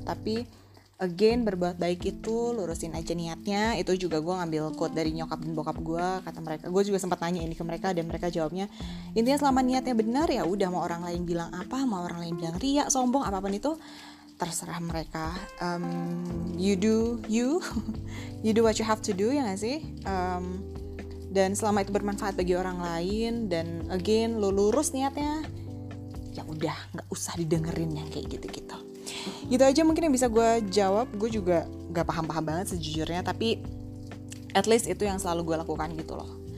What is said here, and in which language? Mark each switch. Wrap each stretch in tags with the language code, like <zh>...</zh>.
<id>Tapi again, berbuat baik itu lurusin aja niatnya. Itu juga gue ngambil quote dari nyokap dan bokap gue, kata mereka. Gue juga sempat nanya ini ke mereka dan mereka jawabnya, intinya selama niatnya benar ya udah, mau orang lain bilang apa, mau orang lain bilang riya, sombong, apapun itu terserah mereka.</id> <en>You do what you have to do,</en> <id>ya nggak sih? Dan selama itu bermanfaat bagi orang lain dan again lo lurus niatnya, ya udah, nggak usah didengerin yang kayak gitu-gitu. Gitu aja mungkin yang bisa gue jawab. Gue juga gak paham-paham banget sejujurnya, tapi</id> <en>at least</en> <id>itu yang selalu gue lakukan gitu loh.</id>